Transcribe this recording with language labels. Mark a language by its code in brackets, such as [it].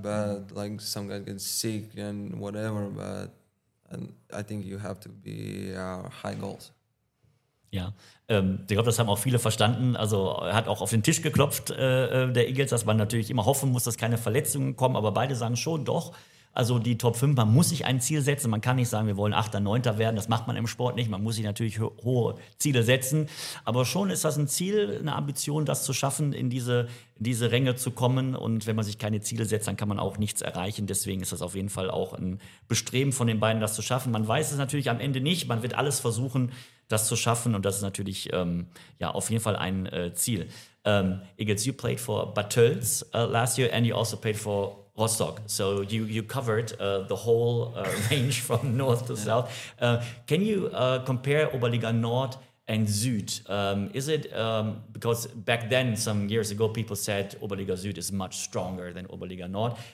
[en] But like some guys get sick and whatever. But I think you have to be high goals. [de] Ja, ich glaube, das haben auch viele verstanden. Also er hat auch auf den Tisch geklopft, der Eagles, dass man natürlich immer hoffen muss, dass keine Verletzungen kommen. Aber beide sagen schon doch, Also die Top 5, man muss sich ein Ziel setzen. Man kann nicht sagen, wir wollen 8er, 9er werden. Das macht man im Sport nicht. Man muss sich natürlich hohe Ziele setzen. Aber schon ist das ein Ziel, eine Ambition, das zu schaffen, in diese Ränge zu kommen. Und wenn man sich keine Ziele setzt, dann kann man auch nichts erreichen. Deswegen ist das auf jeden Fall auch ein Bestreben von den beiden, das zu schaffen. Man weiß es natürlich am Ende nicht. Man wird alles versuchen, das zu schaffen. Und das ist natürlich auf jeden Fall ein Ziel. [en] Igels, you played for Batölz last year and you also played for Rostock. So you covered the whole range from north to south. Can you compare Oberliga Nord and Süd? Is it because back then, some years ago, people said Oberliga Süd is much stronger than Oberliga Nord.